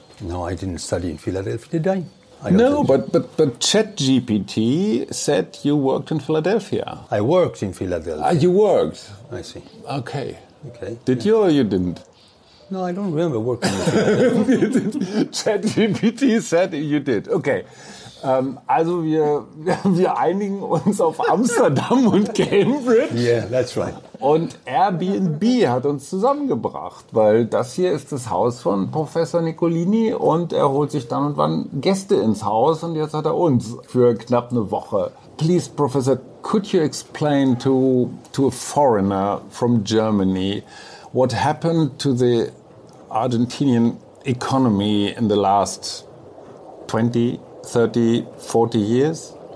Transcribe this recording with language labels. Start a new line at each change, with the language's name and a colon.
English: No, I didn't study in Philadelphia, did I? No, but ChatGPT said you worked in Philadelphia. I worked in Philadelphia. You worked? I see. Okay. Okay. Did you or you didn't? No, I don't remember working in Philadelphia. ChatGPT said you did. Okay.
German: Also wir einigen uns auf Amsterdam und Cambridge.
English: Yeah, that's right.
German: Und Airbnb hat uns zusammengebracht, weil das hier ist das Haus von Professor Nicolini und er holt sich dann und wann Gäste ins Haus und jetzt hat er uns für knapp eine Woche.
English: Please, Professor, could you explain to a foreigner from Germany what happened to the Argentinian economy in the last 20, 30, 40 years?